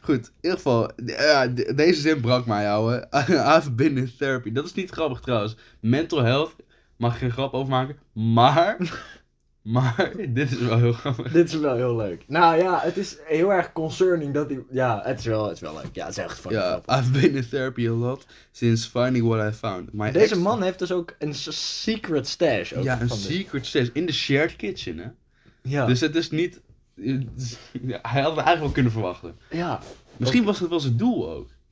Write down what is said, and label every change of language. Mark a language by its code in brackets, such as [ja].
[nl] Goed, in ieder geval, deze zin brak mij, ouwe. [en] I've been in therapy. [nl] Dat is niet grappig trouwens. Mental health, mag ik geen grap over maken, maar... Maar dit is wel heel grappig. Dit is wel heel leuk. Nou ja, het is heel erg concerning dat hij... Ja, het is wel leuk. Ja, het is echt fucking grappig. [en] Yeah, I've been in therapy a lot since finding what I found. My [nl] deze extra... man heeft dus ook een secret stash. Ook ja, een van secret stash. In de [en] shared kitchen, [nl] hè? Ja. Dus het is niet... Hij had het eigenlijk wel kunnen verwachten. Ja. Misschien was het wel zijn doel ook.